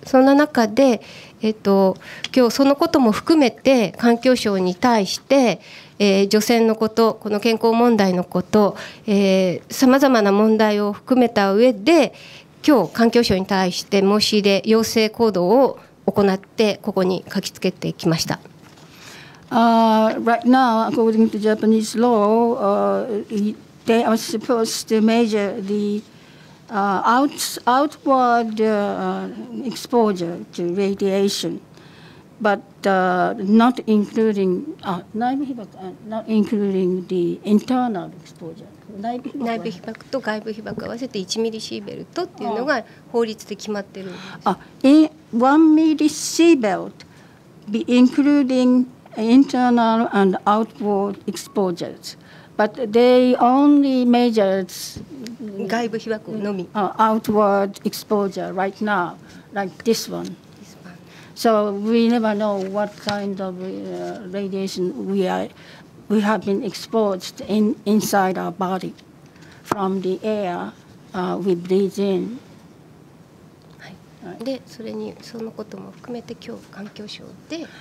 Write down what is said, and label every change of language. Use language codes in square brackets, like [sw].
[ja] そんな中で、今日そのことも含めて環境省に対して、除染のこと、この健康問題のこと、さまざまな問題を含めた上で、今日環境省に対して申し入れ、要請行動を行ってここに書きつけてきました。 [en] Right now, according to Japanese law, they are supposed to measure the outward exposure to radiation, but not including not including the internal exposure. [ja] 内部被曝と外部被曝合わせて1ミリシーベルトっていうのが法律で決まってるんです。 [en] 1ミリシーベルト be including internal and outward exposures. But they only measured [ja] 外部被曝のみ [en] outward exposure right now, like this one. So we never know what kind of radiation we have been exposed inside our body from the air we breathe in. [ja] で、それにそのことも含めて今日環境省で。